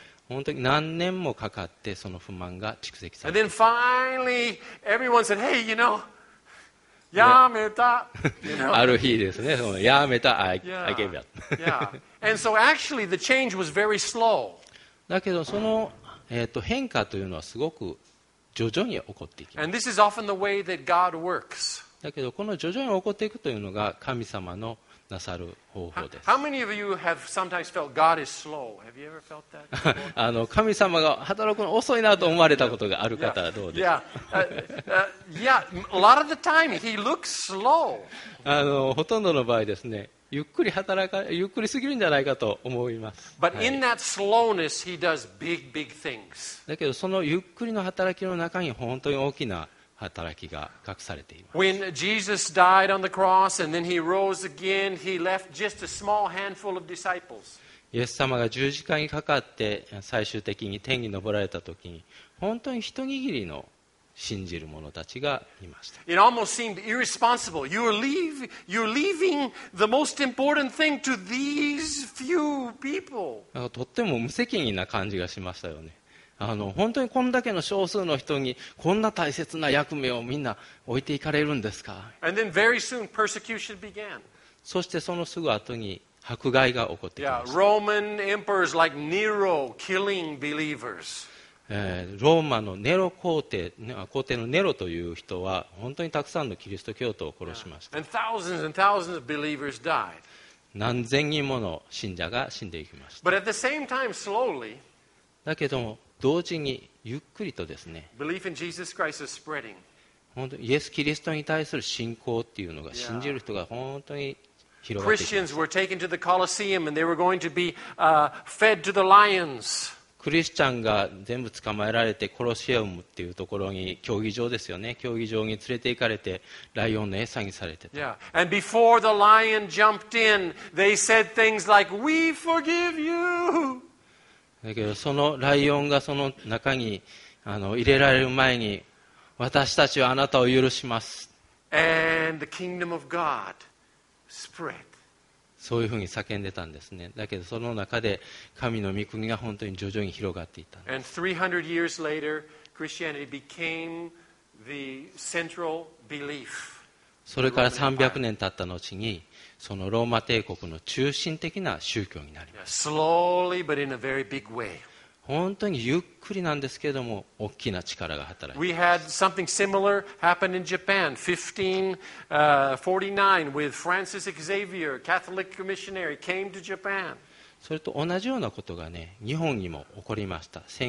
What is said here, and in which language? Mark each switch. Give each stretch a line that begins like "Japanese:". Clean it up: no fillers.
Japanese: 本当に何年もかかってその不満が蓄積されて、
English: And then finally, everyone said, hey, you know,
Japanese: やめた。ある日ですね、そのやめた、
English: I gave up. Yeah. And so actually, the change was very slow.
Japanese: だけどその変化というのはすごく徐々に起こっていきます。
English: And this is often the way that God works.
Japanese: だけどこの徐々に起こっていくというのが神様のなさる方法です。
English: How many of you have sometimes felt God is slow? Have you ever felt that?
Japanese: 神様が働くの遅いなと思われたことがある方はどうですか。
English: A lot of the time he looks slow.
Japanese: ほとんどの場合ですね、ゆっくりすぎるんじゃないかと思います。
English: But in that slowness he does big, big things.
Japanese: だけどそのゆっくりの働きの中に本当に大きな働きが隠されています。
English: When Jesus died on the cross and then he rose again, he left just a small handful of disciples.
Japanese: イエス様が十字架にかかって最終的に天に昇られた時に、本当に一握りの信じる者たちがいました。
English: It almost seemed irresponsible. You're leaving the most important thing to these few people.
Japanese: とっても無責任な感じがしましたよね。本当にこんだけの少数の人にこんな大切な役目をみんな置いていかれるんですか。
English: And then very soon persecution began.
Japanese: そしてそのすぐ後に迫害が起こってきました。
English: Yeah, Roman emperors like Nero killing believers.
Japanese: ローマのネロ皇帝、皇帝のネロという人は本当にたくさんのキリスト教徒を殺しました。
English: And thousands and thousands of believers died.
Japanese: 何千人もの信者が死んでいきました。
English: But at the same time, slowly,
Japanese: だけども同時にゆっくりとですね、
English: Belief in Jesus Christ is spreading.
Japanese: 本当にイエス・キリストに対する信仰っていうのが、信じる人が本当に広がっていきます。
English: were taken to the Colosseum and they were going to be fed to the lions.
Japanese: クリスチャンが全部捕まえられて、コロシアムっていうところに、競技場ですよね、競技場に連れて行かれて、ライオンの餌にされてた。 Yeah.
English: And before the lion jumped in, they said things like, "We forgive you."
Japanese: だけどそのライオンがその中に入れられる前に、私たちはあなたを許します。
English: And the kingdom of God spread.
Japanese: そういうふうに叫んでたんですね。だけどその中で神の御国が本当に徐々に広がっていった。
English: And 300 years later Christianity became the central belief.
Japanese: それから300年経った後に、そのローマ帝国の中心的な宗教になります。
English: Slowly, but in a very big way.
Japanese: 本当にゆっくりなんですけれども、大きな力が働いています。
English: We had something similar happen in Japan 1549 with Francis Xavier, Catholic missionary, came to Japan.
Japanese: それと同じようなことがね、日本にも起こりました。